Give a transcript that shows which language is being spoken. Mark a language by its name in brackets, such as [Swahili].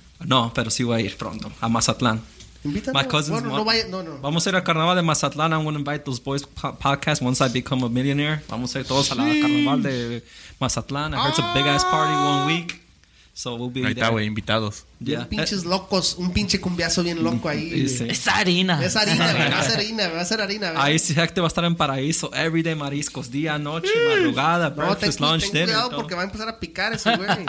[Spanish] No, pero sí voy a ir pronto, a Mazatlán. [English] My cousins, no. [Spanish] Vamos a ir al carnaval de Mazatlán. [English] I'm going to invite those boys podcast once I become a millionaire. [Spanish] Vamos a ir todos al carnaval de Mazatlán. [English] I heard it's a big ass party 1 week. So we'll be [Spanish] ahí [English] there. [Spanish] Ahí está, güey, invitados. [English] Yeah. [Spanish] Pinches locos, un pinche cumbiazo bien loco ahí. Sí. Es harina. Ahí sí, Jack te va a estar en paraíso. [English] Everyday mariscos, [Spanish] día, noche, madrugada, [English] breakfast, lunch, [Spanish] ten Ten cuidado porque va a empezar a picar ese güey.